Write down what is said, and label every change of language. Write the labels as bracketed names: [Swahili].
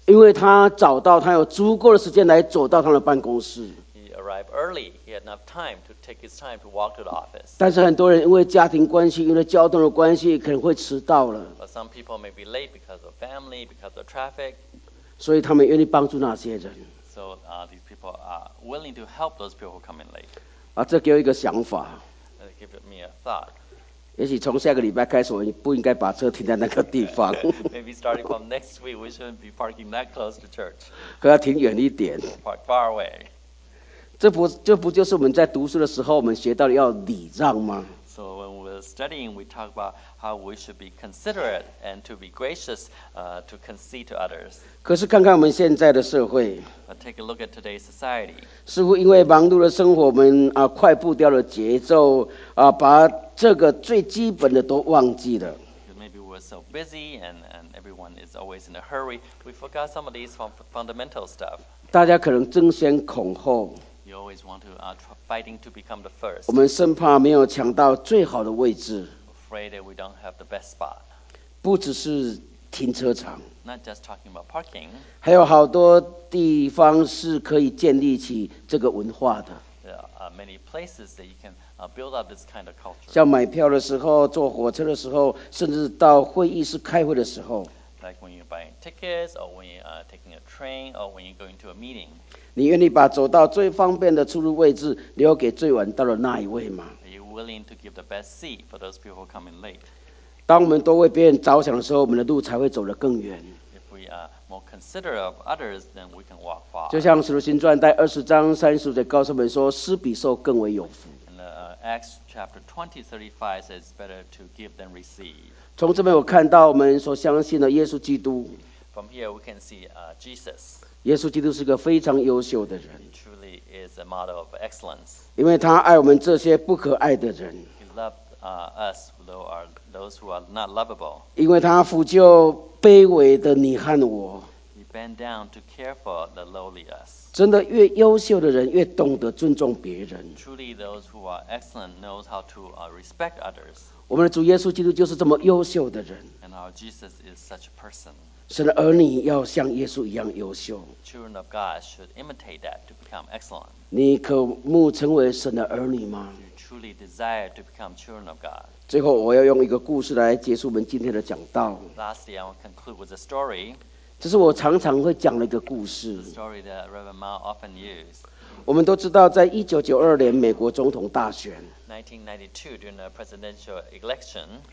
[Chinese] 因为他找到他有足够的时间来走到他的办公室。 [English] He arrived early. He had enough time to take his time to walk to the office. [Chinese] 但是很多人因为家庭关系，因为交通的关系，可能会迟到了。 [English] But some people may be late because of family, because of traffic. [Chinese] 所以他们愿意帮助那些人。 [English] So, these people are willing to help those people who come in late. [Chinese] 啊，这给我一个想法。 [English] Give me a thought. [Chinese] 也许从下个礼拜开始，我不应该把车停在那个地方。 [English] Maybe starting from next week, we shouldn't be parking that close to church. [Chinese] 可要停远一点。 [English] Park far away. [Chinese] 这不就是我们在读书的时候我们学到的要礼让吗？ [English] So when we're studying, we talk about how we should be considerate and to be gracious, to concede to others. [Chinese] 可是看看我们现在的社会。 [English] But take a look at today's society. [Chinese] 似乎因为忙碌的生活，我们快步调的节奏把这个最基本的都忘记了。 [English] Maybe we're so busy and everyone is always in a hurry. We forgot some of these fundamental stuff. [Chinese] 大家可能争先恐后。 [English] You always want to fighting to become the first. [Chinese] 我们生怕没有抢到最好的位置。 [English] Afraid that we don't have the best spot. [Chinese] 不只是停车场。 [English] Not just talking about parking. [Chinese] 还有好多地方是可以建立起这个文化的。 [English] There are many places that you can build up this kind of culture. [Chinese] 像买票的时候，坐火车的时候，甚至到会议室开会的时候。 [English] Like when you're buying tickets, or when you're taking a train, or when you're going to a meeting. [Chinese] 你愿意把走到最方便的出入位置留给最晚到的那一位吗？ [English] Are you willing to give the best seat for those people who come in late? [Chinese] 当我们多为别人着想的时候，我们的路才会走得更远。 [English] If we are more considerate of others, then we can walk far. [Chinese] 就像《使徒行传》第20:35告诉我们说，施比受更为有福。 [English] And Acts chapter 20:35 says, better to give than receive. [Chinese] 从这边我看到我们所相信的耶稣基督。 [English] From here we can see Jesus. [Chinese] 耶稣基督是个非常优秀的人。 [English] He truly is a model of excellence. [Chinese] 因为他爱我们这些不可爱的人。 [English] He loved us, though are those who are not lovable. [Chinese] 因为他俯就卑微的你和我。 [English] He bent down to care for the lowly us. [Chinese] 真的越优秀的人越懂得尊重别人。 [English] Truly those who are excellent knows how to respect others. [Chinese] 我们的主耶稣基督就是这么优秀的人。 [English] And our Jesus is such a person. [Chinese] 神的儿女要像耶稣一样优秀。 [English] Children of God should imitate that to become excellent. [Chinese] 你渴慕成为神的儿女吗？ [English] You truly desire to become children of God. [Chinese] 最后我要用一个故事来结束我们今天的讲道。 [English] Lastly, I will conclude with a story. [Chinese] 这是我常常会讲的一个故事。 [English] A story that Reverend Mao often used. [Chinese] 我们都知道在1992年美国总统大选 [English] 1992, during the presidential election,